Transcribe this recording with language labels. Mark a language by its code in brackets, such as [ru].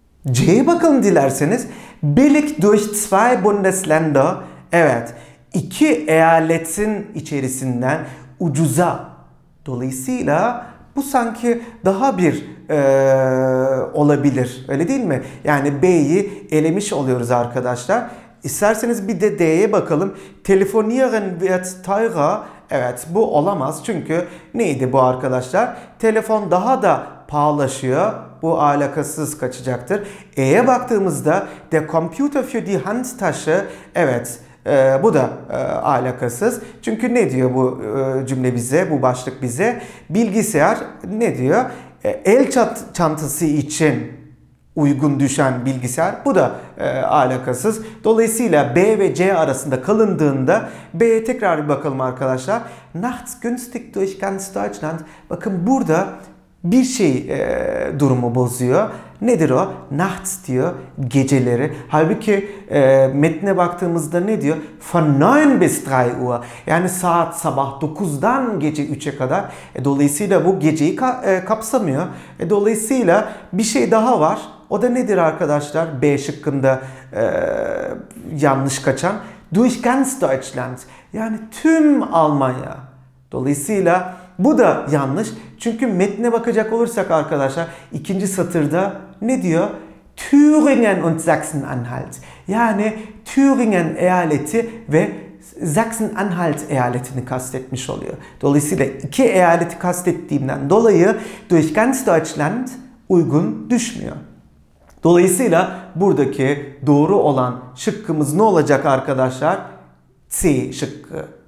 [tr] C'ye bakalım dilerseniz. [de] Billig durch zwei Bundesländer. [tr] Evet, iki eyaletin içerisinden ucuza. Dolayısıyla bu sanki daha bir olabilir, öyle değil mi? Yani B'yi elemiş oluyoruz arkadaşlar. İsterseniz bir de D'ye bakalım. [de] Telefonieren wird teurer. [tr] Evet, bu olamaz çünkü neydi bu arkadaşlar? Telefon daha da pahalaşıyor. Bu alakasız kaçacaktır. E'ye baktığımızda [de] der Computer für die Handtasche. [tr] Evet, bu da alakasız. Çünkü ne diyor bu cümle bize, bu başlık bize? Bilgisayar ne diyor? El çantası için uygun düşen bilgisayar. Bu da alakasız. Dolayısıyla B ve C arasında kalındığında B'ye tekrar bir bakalım arkadaşlar. [de] Nachts günstig durch ganz Deutschland. [tr] Bakın burada bir şey durumu bozuyor. Nedir o? Nachts diyor, geceleri. Halbuki metne baktığımızda ne diyor? [de] Von 9 bis 3 Uhr. [tr] Yani saat sabah 9'dan gece 3'e kadar. Dolayısıyla bu geceyi kapsamıyor. Dolayısıyla bir şey daha var. O da nedir arkadaşlar? B şıkkında yanlış kaçan. [de] Durch ganz Deutschland. [tr] Yani tüm Almanya. Dolayısıyla bu da yanlış. Çünkü metne bakacak olursak arkadaşlar ikinci satırda ne diyor? [de] Thüringen und Sachsen-Anhalt. [tr] Yani Thüringen eyaleti ve Sachsen-Anhalt eyaletini kastetmiş oluyor. Dolayısıyla iki eyaleti kastettiğimden dolayı [de] durch ganz Deutschland [tr] uygun düşmüyor. Dolayısıyla buradaki doğru olan şıkkımız ne olacak arkadaşlar? C şıkkı.